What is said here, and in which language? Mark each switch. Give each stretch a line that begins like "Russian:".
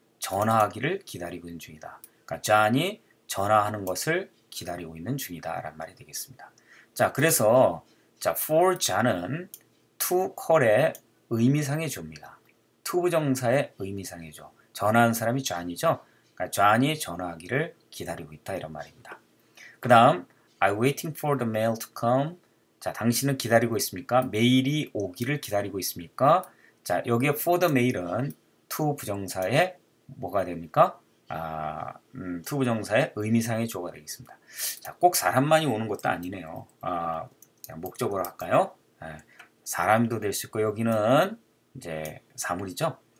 Korean: 전화하기를 기다리고 있는 중이다. 그러니까 John이 전화하는 것을 기다리고 있는 중이다라는 말이 되겠습니다. 자, 그래서 자, for John은 to call의 의미상의 주입니다. to 부정사의 의미상의 주. 전화하는 사람이 John이죠. 그러니까 John이 전화하기를 기다리고 있다 이런 말입니다.
English: 그다음 I'm waiting for the mail to come.
Korean: 자, 당신은 기다리고 있습니까? 메일이 오기를 기다리고 있습니까? 자, 여기에 for the mail은 to 부정사의 뭐가 됩니까? to 부정사의 의미상의 주어가 되겠습니다. 자, 꼭 사람만이 오는 것도 아니네요. 목적으로 할까요? 사람도 될수 있고, 여기는 이제 사물이죠.